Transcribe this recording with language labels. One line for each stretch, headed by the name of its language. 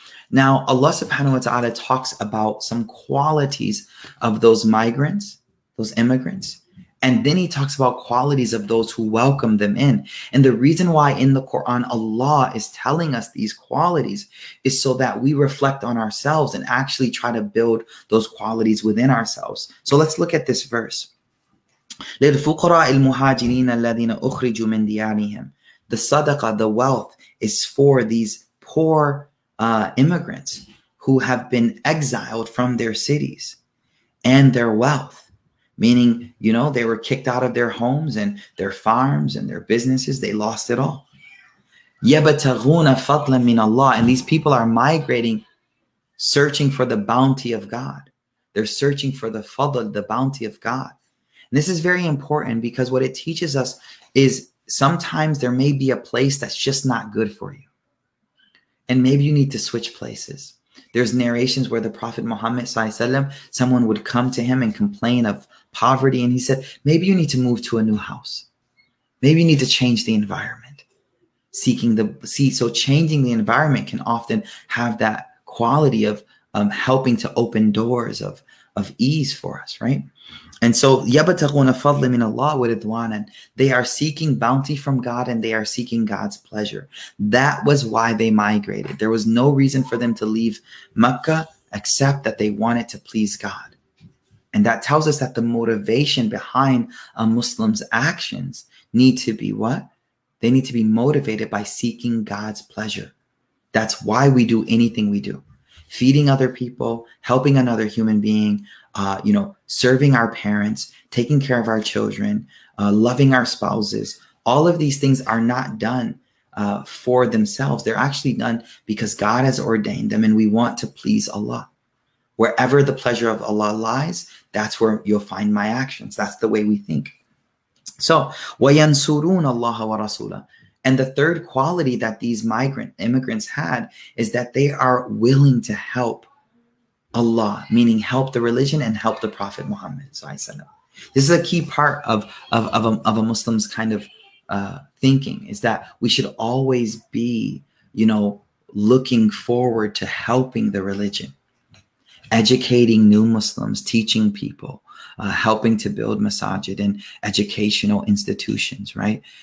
English: Now, Allah subhanahu wa ta'ala talks about some qualities of those migrants, those immigrants. And then he talks about qualities of those who welcome them in. And the reason why in the Quran, Allah is telling us these qualities is so that we reflect on ourselves and actually try to build those qualities within ourselves. So let's look at this verse.
Arabic: للفقراء المهاجرين الذين أخرجوا من ديارهم.
English: The sadaqah, the wealth, is for these poor immigrants who have been exiled from their cities and their wealth. Meaning, you know, they were kicked out of their homes and their farms and their businesses. They lost it all.
Arabic: يَبَتَغُونَ فَضْلًا مِنَ اللَّهِ.
English: And these people are migrating, searching for the bounty of God. They're searching for the fadl, the bounty of God. And this is very important because what it teaches us is sometimes there may be a place that's just not good for you. And maybe you need to switch places. There's narrations where the Prophet Muhammad Sallallahu Alaihi Wasallam, someone would come to him and complain of poverty. And he said, maybe you need to move to a new house. Maybe you need to change the environment. So changing the environment can often have that quality of helping to open doors of ease for us, right? And so,
Arabic: يَبَتَغُونَ فَضْلًا مِنَ اللَّهِ وَرِضْوَانًا.
English: They are seeking bounty from God and they are seeking God's pleasure. That was why they migrated. There was no reason for them to leave Mecca except that they wanted to please God. And that tells us that the motivation behind a Muslim's actions need to be what? They need to be motivated by seeking God's pleasure. That's why we do anything we do. Feeding other people, helping another human being, serving our parents, taking care of our children, loving our spouses. All of these things are not done for themselves. They're actually done because God has ordained them and we want to please Allah. Wherever the pleasure of Allah lies, that's where you'll find my actions. That's the way we think.
Arabic: So, وَيَنْصُرُونَ اللَّهَ وَرَسُولَهُ.
English: And the third quality that these immigrants had is that they are willing to help Allah, meaning help the religion and help the Prophet Muhammad. This is a key part of a Muslim's kind of thinking, is that we should always be, looking forward to helping the religion, educating new Muslims, teaching people, helping to build masajid and educational institutions, right?